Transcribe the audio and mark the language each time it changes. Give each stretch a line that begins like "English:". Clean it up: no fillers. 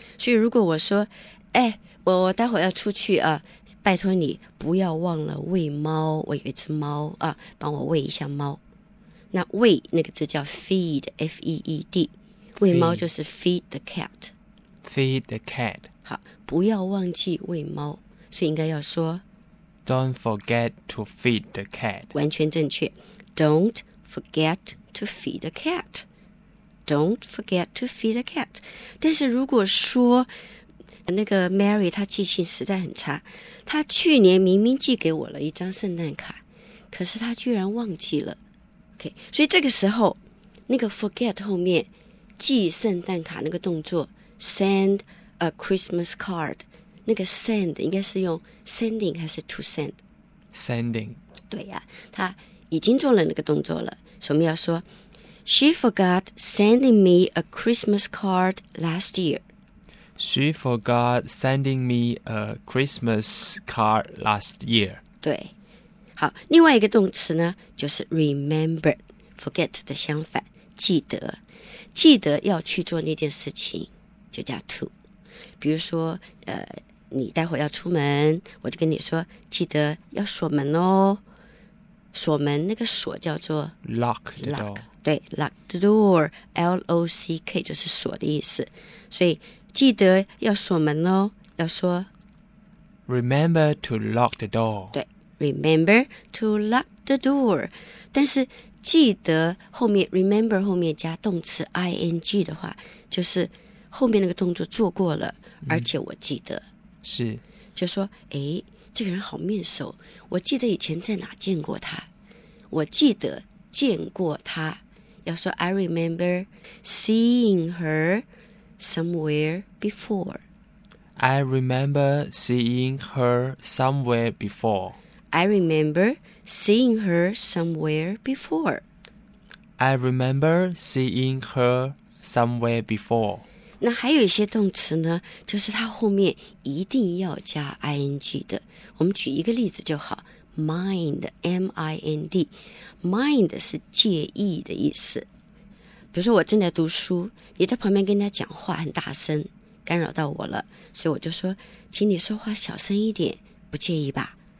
Chinese: 所以如果我说我待会要出去啊，拜托你不要忘了喂猫，我有一只猫啊，帮我喂一下猫。那喂那个字叫 feed， F-E-E-D， 喂猫就是
English: feed the cat， feed the cat。
Chinese: 好，不要忘记喂猫，所以应该要说
English: Don't forget to feed the cat.
Chinese: 完全正确。
English: Don't forget to feed the cat. Don't forget to feed the cat.
Chinese: 但是如果说那个 Mary 她记性实在很差，她去年明明寄给我了一张圣诞卡，可是她居然忘记了。 OK， 所以这个时候那个 forget 后面寄圣诞卡那个动作
English: send a Christmas card，
Chinese: 那个 send 应该是用 sending 还是 to send？
English: Sending。
Chinese: 对呀，她已经做了那个动作了，所以我们要说
English: She forgot sending me a Christmas card last year. She forgot sending me a Christmas card last year.
Chinese: 对，好，另外一个动词呢，就是 remember, forget 的相反，记得，记得要去做那件事情，就叫 to。比如说，你待会要出门，我就跟你说，记得要锁门哦。锁门那个锁叫做
English: lock the door。 Lock, 对 ，lock the door, L-O-C-K
Chinese: 就是锁的意思，所以。记得要锁门哦，要说
English: Remember to lock the door.
Chinese: 对
English: ，Remember to lock the door.
Chinese: 但是记得后面 Remember 后面加动词 ing 的话，就是后面那个动作做过了，而且我记得、是，就说哎，这个人好面熟，我记得以前在哪见过他，我记得见过他，要说
English: I remember seeing her. Somewhere before. I remember seeing her somewhere before. I remember seeing her somewhere before. I remember seeing her somewhere before.
Chinese: 那还有一些动词呢，就是它后面一定要加 ing 的。我们举一个例子就好 ，mind, M-I-N-D, mind 是介意的意思。比如说我正在读书，你在旁边跟人家讲话很大声，干扰到我了，所以我就说，请你说话小声一点，不介意吧？